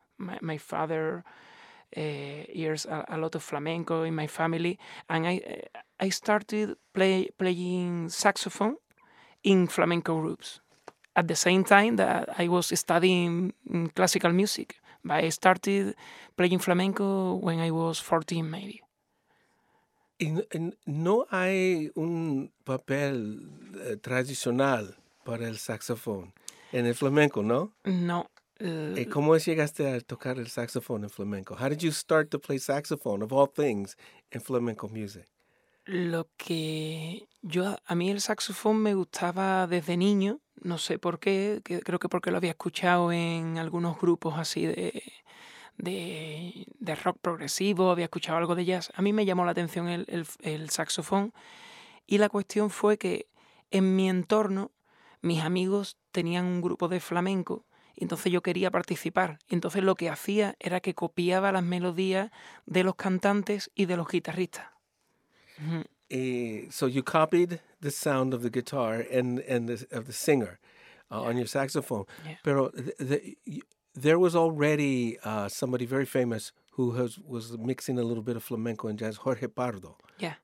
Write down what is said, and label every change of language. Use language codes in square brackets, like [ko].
[en] My father hears a lot of flamenco in my family. And I started playing saxophone in flamenco groups at the same time that I was studying classical music. But I started playing flamenco when I was 14, maybe. [es] No hay un papel tradicional para el saxofón en el flamenco, ¿no? No. ¿Cómo llegaste a tocar el saxofón en flamenco? [en] How did you start to play saxophone, of all things, in flamenco music? [es] Lo que yo, a mí el saxofón me gustaba desde niño. No sé por qué, creo que porque lo había escuchado en algunos grupos así de rock progresivo, había escuchado algo de jazz. A mí me llamó la atención el saxofón y la cuestión fue que en mi entorno mis amigos tenían un grupo de flamenco y entonces yo quería participar. Entonces lo que hacía era que copiaba las melodías de los cantantes y de los guitarristas. [en] So you copied the sound of the guitar and of the singer on your saxophone. Yeah. [es] Pero [en] there was already somebody very famous who was mixing a little bit of flamenco and jazz, Jorge Pardo. Yeah.